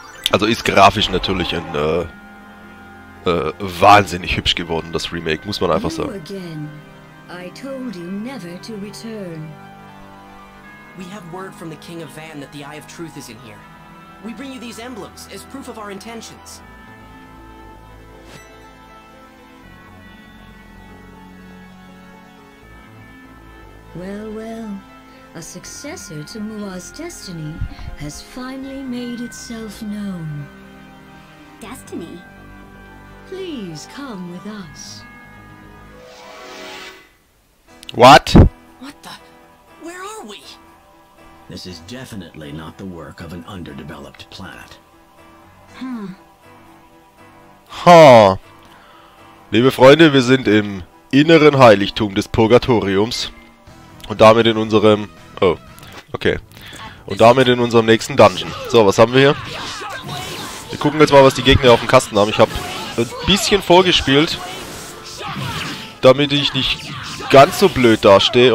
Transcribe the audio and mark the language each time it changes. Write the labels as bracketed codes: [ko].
[de] Also ist grafisch natürlich ein wahnsinnig hübsch geworden, das Remake, muss man einfach sagen. [en] Again. I told you never to return. We have word from the King of Van that the Eye of Truth is in here. We bring you these emblems as proof of our intentions. Well, well. A successor to Muad's destiny has finally made itself known. Destiny? Please come with us. What? What the? Where are we? This is definitely not the work of an underdeveloped planet. Huh. [de] Liebe Freunde, wir sind im inneren Heiligtum des Purgatoriums. Und damit in unserem... Oh, okay. Und damit in unserem nächsten Dungeon. So, was haben wir hier? Wir gucken jetzt mal, was die Gegner auf dem Kasten haben. Ich habe ein bisschen vorgespielt, damit ich nicht ganz so blöd dastehe.